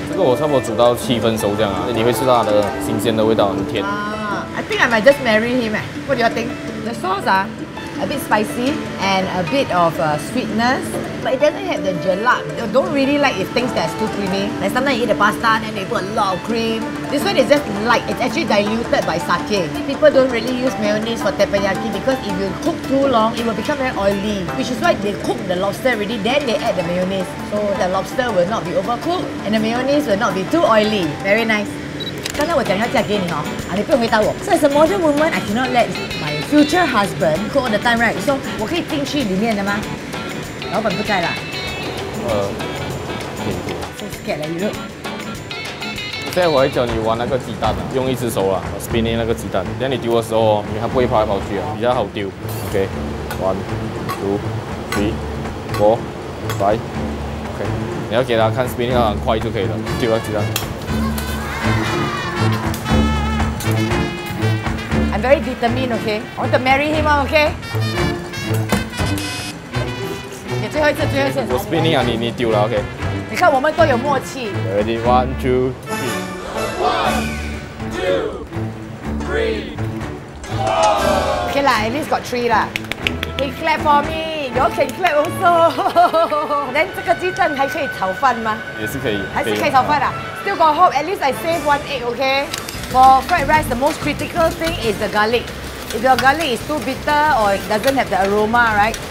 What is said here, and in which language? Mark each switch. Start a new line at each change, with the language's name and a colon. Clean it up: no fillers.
Chinese: 这个我差不多煮到七分熟这样啊，你会吃到它的新鲜的味道，很甜。
English: I think I might just marry him. What do you think? The sauce a bit spicy and a bit of sweetness, but it doesn't have the gelat. You don't really like if things that are too creamy. Like sometimes you eat the pasta and then they put a lot of cream. This one is just light. It's actually diluted by sake. People don't really use mayonnaise for teppanyaki because if you cook too long, it will become very oily. Which is why they cook the lobster already, then they add the mayonnaise. So the lobster will not be overcooked and the mayonnaise will not be too oily. Very nice.
Chinese: 刚才我讲要嫁给你哦，你不用回答我。
English: So as a modern woman, I cannot let my future husband cook all the time, right? So 我可以进去里面的吗？老板不在了。 So scared that you look.
Chinese: 现在我会教你玩那个鸡蛋，用一只手啊，spinning 那个鸡蛋。等下你丢的时候哦，你还不会跑来跑去啊，比较好丢。 OK, 1, 2, 3, 4, 5, OK. 你要给他看 spinning 很快就可以了，丢了鸡蛋。
English: I'm very determined, okay? I want to marry him, okay?
Chinese: Okay, 最后一次。我 spinning 啊，你丢了 ，OK？你看我们多有默契。
English: Ready, 1, 2, 3. Okay lah, at least got 3 lah. Can clap for me. You can clap also.
Chinese: Then 这个鸡蛋还可以炒饭吗？也是可以。还是可以炒饭啊。
English: Still got hope. At least I save one egg, okay? For fried rice, the most critical thing is the garlic. If your garlic is too bitter or it doesn't have the aroma, right?